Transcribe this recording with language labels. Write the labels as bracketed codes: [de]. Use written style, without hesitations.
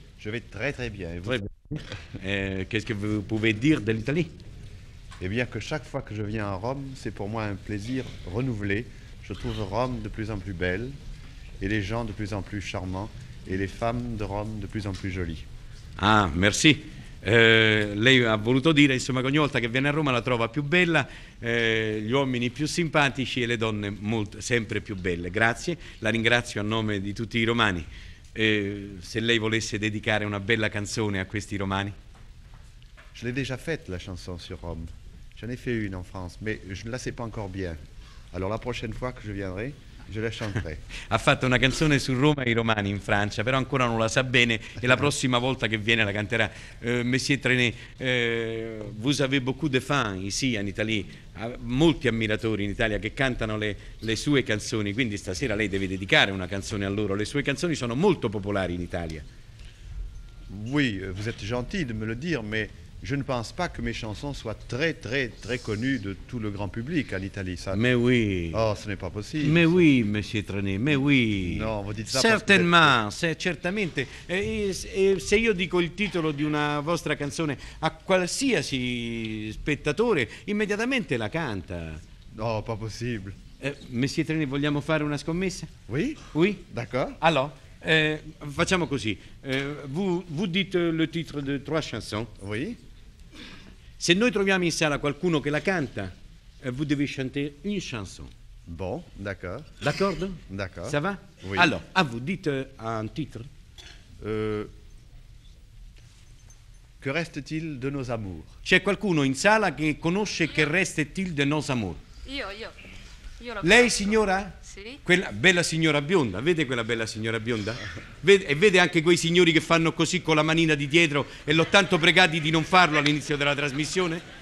[fr] Je vais très très bien. Et vous? Très bien. Qu'est-ce que vous pouvez dire de l'Italie? Eh bien que chaque fois que je viens à Rome, c'est pour moi un plaisir renouvelé. Je trouve Rome de plus en plus belle, et les gens de plus en plus charmants, et les femmes de Rome de plus en plus jolies. Ah, merci. [it] Lei ha voluto dire, insomma, che ogni volta che viene a Roma la trova più bella, gli uomini più simpatici e le donne molto, sempre più belle. Grazie, la ringrazio a nome di tutti i romani. Se lei volesse dedicare una bella canzone a questi romani. [fr] Je l'ai déjà faite la chanson sur Rome. J'en ai fait une en France, mais je ne la sais pas encore bien. Alors la prochaine fois que je viendrai, je la chanterai. Ha fatto una canzone su Roma e i romani in Francia, però ancora non la sa bene e la prossima volta che viene la canterà. Monsieur Trenet, vous avez beaucoup de fans ici en Italie, [it] molti ammiratori in Italia che cantano le sue canzoni, quindi stasera lei deve dedicare una canzone a loro. Le sue canzoni sono molto popolari in Italia. [fr] Oui, vous êtes gentil de me le dire, mais je ne pense pas que mes chansons soient très, très, très connues de tout le grand public en Italie. Ça... Mais oui. Oh, ce n'est pas possible. Mais oui, monsieur Trenet, mais oui. Non, vous dites ça certainement, parce que... [it] certamente. E se io dico il titolo di una vostra canzone a qualsiasi spettatore, immediatamente la canta. [fr] No, pas possible. [it] Monsieur Trenet, vogliamo fare una scommessa? [fr] Oui. Oui. D'accord. [it] Allora. Facciamo così. [fr] Vous dites le titre de trois chansons. Oui. [it] Se noi troviamo in sala qualcuno che la canta, [fr] vous devez chanter une chanson. Bon, d'accord. [it] D'accordo? [fr] D'accord. Ça va? Oui. Alors, à vous, dites un titre. Que reste-t-il de nos amours? [it] C'è qualcuno in sala che conosce Che reste-t-il de nos amours? Io. Lei, signora? Sì. Quella bella signora bionda, vede quella bella signora bionda? Vede anche quei signori che fanno così con la manina di dietro e l'ho tanto pregati di non farlo all'inizio della trasmissione?